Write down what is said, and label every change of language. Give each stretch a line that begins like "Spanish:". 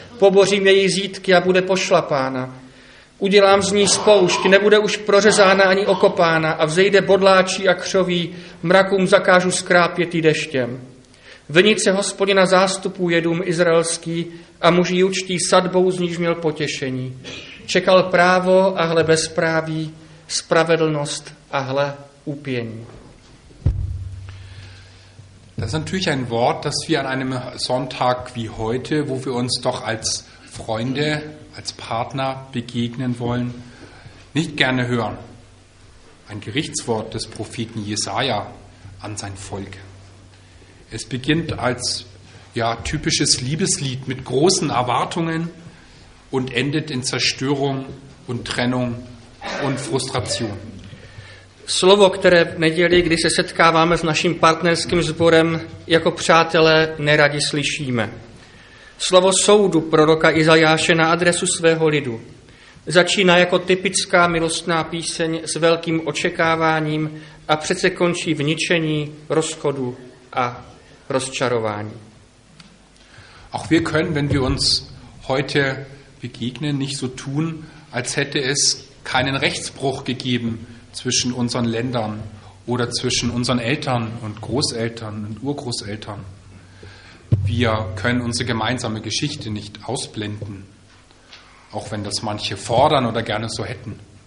Czech: Pobořím její zítky a bude pošlapána. Udělám z ní spoušť, nebude už prořezána ani okopána a vzejde bodláčí a křoví, mrakům zakážu skrápět i deštěm. Vinice Hospodina zástupů je dům izraelský a muži judští sadbou z níž měl potěšení. Čekal právo a hle bezpráví, spravedlnost a hle úpění.
German: Das ist natürlich ein Wort, das wir an einem Sonntag wie heute, wo wir uns doch als Freunde, als Partner begegnen wollen, nicht gerne hören. Ein Gerichtswort des Propheten Jesaja an sein Volk. Es beginnt als ja, typisches Liebeslied mit großen Erwartungen und endet in Zerstörung und Trennung und Frustration.
Czech: Slovo, které v neděli, kdy se setkáváme s naším partnerským sborem, jako přátelé neradi slyšíme. Slovo soudu proroka Izajáše na adresu svého lidu začíná jako typická milostná píseň s velkým očekáváním a přece končí v ničení, rozchodu a rozčarování.
German: Auch wir können, wenn wir uns heute begegnen, nicht so tun, als hätte es keinen Rechtsbruch gegeben zwischen unseren Ländern oder zwischen unseren Eltern und Großeltern und Urgroßeltern. Wir können unsere gemeinsame Geschichte nicht ausblenden, auch wenn das manche fordern oder gerne so hätten.